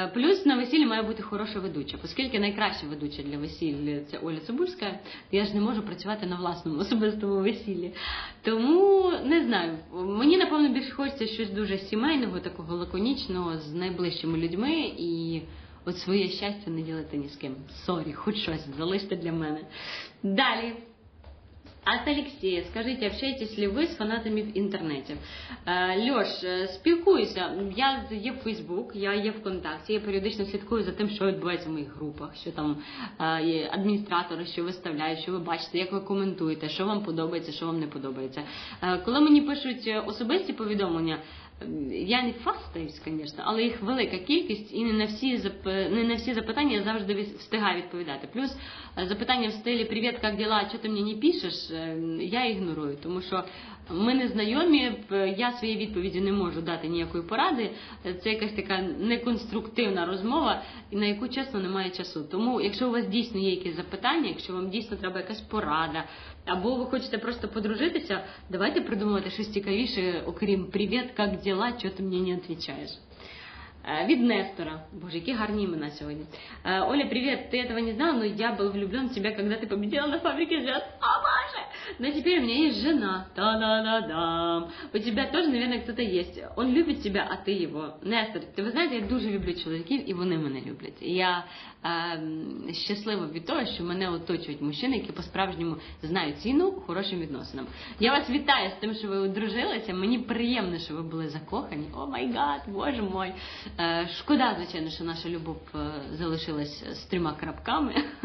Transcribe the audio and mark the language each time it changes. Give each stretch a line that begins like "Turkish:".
Ukrainian: Плюс на весіллі має бути хороша ведуча. Оскільки найкраща ведуча для весіллі – це Оля Цибульська, я ж не можу працювати на власному особистому весіллі. Тому, не знаю, мені, напевно, більше хочеться щось дуже сімейного, такого лаконічного, з найближчими людьми і... От своє щастя не ділити ні з ким. Сорі, хоч щось залиште для мене. Далі.
Russian: От Алексея, скажите, общаетесь ли вы с фанатами в интернете?
Ukrainian: Лёш, спілкуюся. Я є в Facebook, я є в ВКонтакті, я періодично слідкую за тим, що відбувається в моїх групах, що там адміністратори, що виставляю, що ви бачите, як ви коментуєте, що вам подобається, що вам не подобається. Коли мені пишуть особисті повідомлення, я не фастаюсь, звісно, але їх велика кількість, і не на всі запитання я завжди встигаю відповідати. Плюс запитання в стилі «Привіт, як діла? Чого ти мені не пишеш?» я ігнорую, тому що Ми не знайомі, я своєї відповіді не можу дати ніякої поради. Це якась така неконструктивна розмова, на яку, чесно, немає часу. Тому, якщо у вас дійсно є якісь запитання, якщо вам дійсно треба якась порада, або ви хочете просто подружитися, давайте придумувати щось цікавіше, окрім «Привіт, як діла, чого ти мені не відповідаєш?» Від Нестора. Боже, які гарні імена сьогодні.
Russian: Оля, привет, ты этого не знала, но я был влюблен в тебя, когда ты победила на фабрике звезд. О, Боже! Но теперь у меня есть жена. Та-да-да-дам. У тебя тоже, наверное, кто-то есть. Он любит тебя, а ты его.
Ukrainian: Нестор, ты, вы знаете, я дуже люблю чоловіків, и вони мене люблять. Я щаслива від того, що мене оточують мужчини, які по-справжньому знають ціну хорошим відносинам. Я вас вітаю з тим, що ви одружилися. Мені приємно, що ви були закохані. О, май гад,
Russian: Боже мой.
Ukrainian: Шкода, звичайно, що наша любов залишилась з трьома крапками.